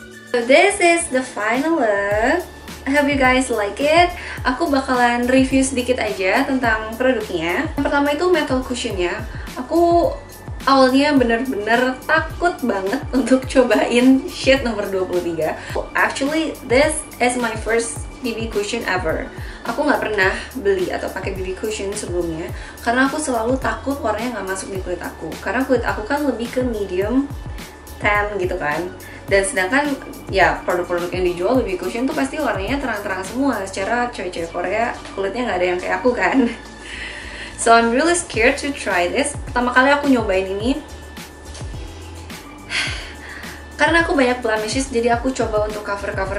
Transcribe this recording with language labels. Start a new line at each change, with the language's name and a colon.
English: So this is the final look. I hope you guys like it.
Indonesian: Aku bakalan review sedikit aja tentang produknya. Yang pertama itu metal cushionnya. Aku awalnya bener-bener takut banget untuk cobain sheet nomor 23.
English: Actually, this is my first BB cushion ever.
Indonesian: Aku gak pernah beli atau pakai BB cushion sebelumnya karena aku selalu takut warnanya gak masuk di kulit aku. Karena kulit aku kan lebih ke medium tan gitu kan. Dan sedangkan ya produk-produk yang dijual BB cushion tuh pasti warnanya terang-terang semua. Secara cewek-cewek Korea kulitnya gak ada yang kayak aku kan.
English: So I'm really scared to try this.
Indonesian: Pertama kali aku nyobain ini karena aku banyak blemishes, jadi aku coba untuk cover.